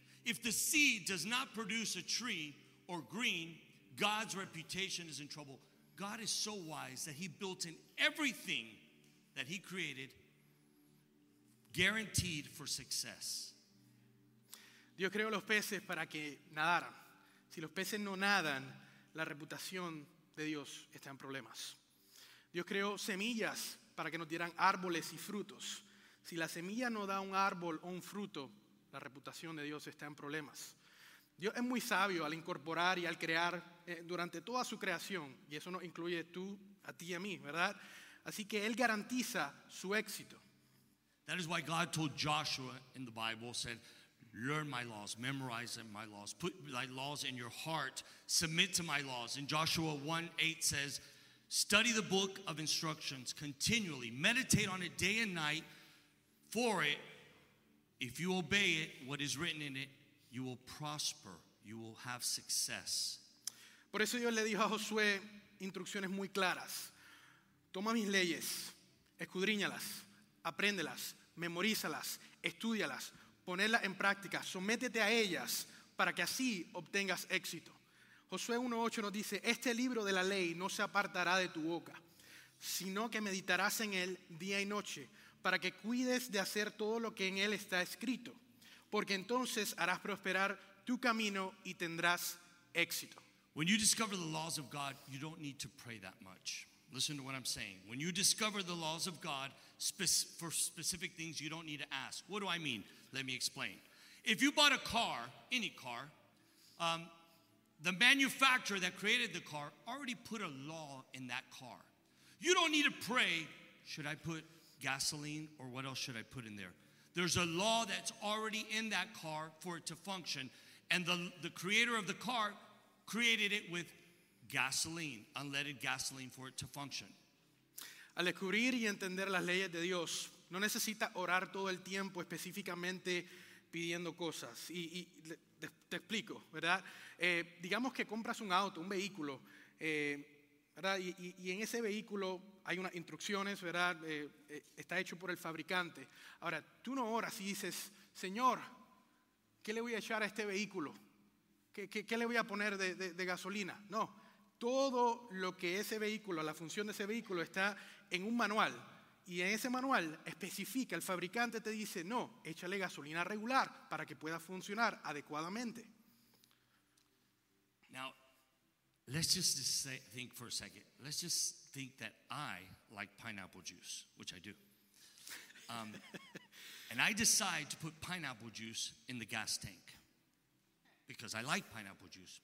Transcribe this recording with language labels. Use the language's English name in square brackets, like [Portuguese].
[English] If the seed does not produce a tree or green, God's reputation is in trouble. God is so wise that he built in everything that he created guaranteed for success. [Spanish] Dios creó los peces para que nadaran. Si los peces no nadan, la reputación de Dios está en problemas. Dios creó semillas para que nos dieran árboles y frutos. Si la semilla no da un árbol o un fruto, la reputación de Dios está en problemas. Dios es muy sabio al incorporar y al crear durante toda su creación, y eso nos incluye tú, a ti y a mí, ¿verdad? Así que Él garantiza su éxito. [English] That is why God told Joshua in the Bible, said, learn my laws, memorize my laws, put my laws in your heart, submit to my laws. And Joshua 1:8 says, study the book of instructions continually. Meditate on it day and night, for it, if you obey it, what is written in it, you will prosper. You will have success. [Spanish] Por eso Dios le dijo a Josué instrucciones muy claras. Toma mis leyes, escudriñalas, apréndelas, memorízalas, estúdialas, ponerlas en práctica, sométete a ellas para que así obtengas éxito. Josué 1:8 nos dice, este libro de la ley no se apartará de tu boca, sino que meditarás en él día y noche, para que cuides de hacer todo lo que en él está escrito, porque entonces harás prosperar tu camino y tendrás éxito. [English] When you discover the laws of God, you don't need to pray that much. Listen to what I'm saying. When you discover the laws of God, for specific things, you don't need to ask. What do I mean? Let me explain. If you bought a car, any car, the manufacturer that created the car already put a law in that car. You don't need to pray, should I put gasoline or what else should I put in there? There's a law that's already in that car for it to function. And the creator of the car created it with gasoline, unleaded gasoline for it to function. [Spanish] Al descubrir y entender las leyes de Dios, no necesita orar todo el tiempo específicamente pidiendo cosas. Te explico, ¿verdad? Digamos que compras un auto, un vehículo, ¿verdad? Y en ese vehículo hay unas instrucciones, ¿verdad? Está hecho por el fabricante. Ahora, tú no oras y dices, Señor, ¿qué le voy a echar a este vehículo? ¿Qué le voy a poner de gasolina? No, todo lo que ese vehículo, la función de ese vehículo está en un manual. Y en ese manual especifica, el fabricante te dice, no, échale gasolina regular para que pueda funcionar adecuadamente. [English] Now, let's just say, think for a second. Let's just think that I like pineapple juice, which I do. and I decide to put pineapple juice in the gas tank because I like pineapple juice.